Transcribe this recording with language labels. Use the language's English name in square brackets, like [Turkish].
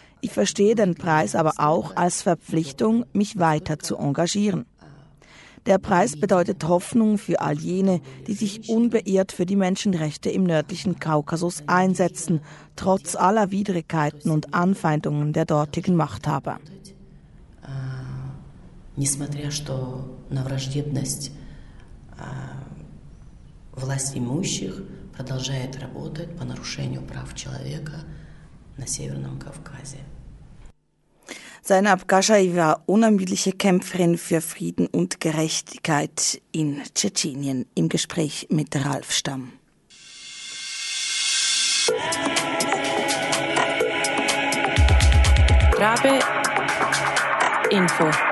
[German] Ich verstehe den Preis aber auch als Verpflichtung, mich weiter zu engagieren. Der Preis bedeutet Hoffnung für all jene, die sich unbeirrt für die Menschenrechte im nördlichen Kaukasus einsetzen, trotz aller Widrigkeiten und Anfeindungen der dortigen Machthaber. [Russian] Несмотря что на враждебность власть имущих продолжает работать по нарушению прав человека на Северном Кавказе. [German] Zeynab Gaschajewa, unermüdliche Kämpferin für Frieden und Gerechtigkeit in Tschetschenien, im Gespräch mit Ralf Stamm. Rabe Info.